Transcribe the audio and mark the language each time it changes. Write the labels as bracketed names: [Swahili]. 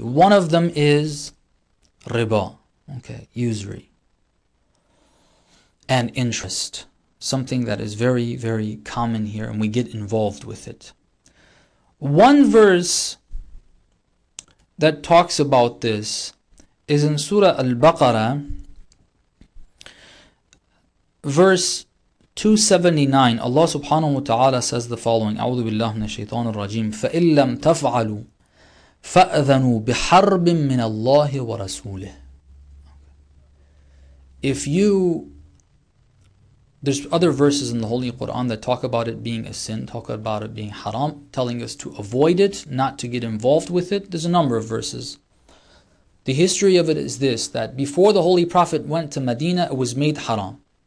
[English] One of them is riba, okay, usury, and interest, something that is very, very common here, and we get involved with it. One verse that talks about this is in Surah Al-Baqarah, verse 279. Allah subhanahu wa ta'ala says the following: [Arabic] أعوذ بالله من الشيطان الرجيم فإن لم تفعلوا فَأَذَنُوا بِحَرْبٍ مِّنَ اللَّهِ وَرَسُولِهِ. [English] If you... There's other verses in the Holy Quran that talk about it being a sin, talk about it being haram, telling us to avoid it, not to get involved with it. There's a number of verses. The history of it is this, that before the Holy Prophet went to Medina, it was made haram.